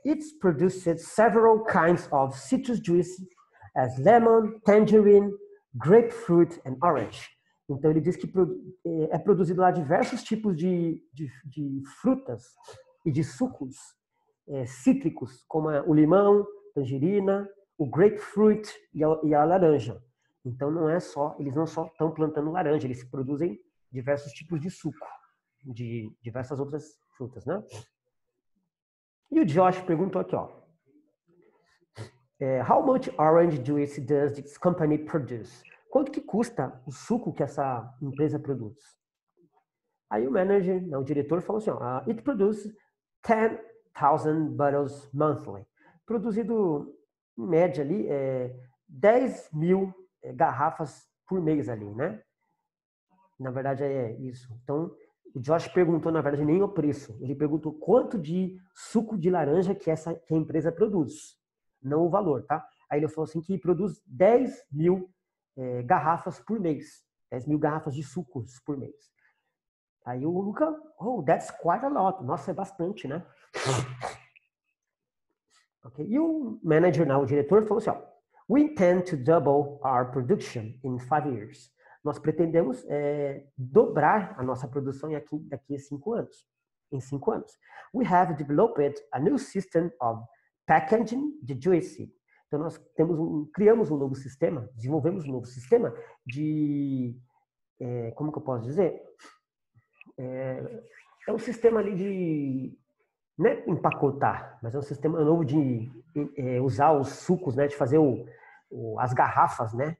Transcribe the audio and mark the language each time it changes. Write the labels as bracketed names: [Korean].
[English] It's produced several kinds of citrus juice, as lemon, tangerine, grapefruit and orange. [Portuguese] Então ele diz que é produzido lá diversos tipos de frutas e de sucos cítricos, como o limão, tangerina, o grapefruit e a laranja. Então não é só, eles não só estão plantando laranja, eles produzem diversos tipos de suco de diversas outras frutas, né? E o Josh perguntou aqui, ó. [English] How much orange juice does this company produce? [Portuguese] Quanto que custa o suco que essa empresa produz? Aí o diretor falou assim, [English] it produces 10,000 bottles monthly. [Portuguese] Produzido, em média, ali, 10 mil garrafas por mês ali, né? Na verdade, é isso. Então, o Josh perguntou, na verdade, nem o preço. Ele perguntou quanto de suco de laranja que que a empresa produz. Não o valor, tá? Aí ele falou assim que produz 10 mil garrafas por mês. 10 mil garrafas de sucos por mês. Aí o [English] Luca, oh, that's quite a lot. [Portuguese] Nossa, é bastante, né? Okay. E o manager, não, o diretor, falou assim, ó. [English] We intend to double our production in 5 years. [Portuguese] Nós pretendemos dobrar a nossa produção daqui a 5 anos. Em 5 anos. [English] We have developed a new system of packaging the juice. [Portuguese] Então nós criamos um novo sistema, desenvolvemos um novo sistema de, como que eu posso dizer? É um sistema ali de, não é empacotar, mas é um sistema novo de usar os sucos, né? De fazer as garrafas, né?